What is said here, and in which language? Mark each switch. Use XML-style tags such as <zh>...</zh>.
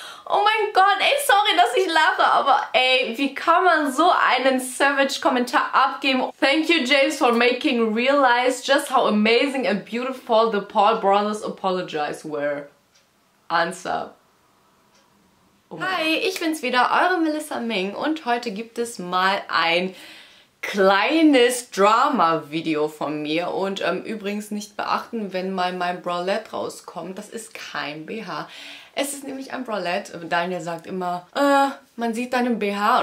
<de>Oh mein Gott, ey, sorry, dass ich lache, aber ey, wie kann man so einen Savage-Kommentar abgeben?</de> <en>Thank you, James, for making realize just how amazing and beautiful the Paul Brothers apologize were. Answer.</en> <de>Oh mein Gott. Hi, ich bin's wieder, eure Melissa Ming, und heute gibt es mal ein kleines Drama-Video von mir. Und übrigens nicht beachten, wenn mal mein Bralette rauskommt, das ist kein BH. Es ist nämlich ein Bralette. Daniel sagt immer, man sieht deinen BH.</de>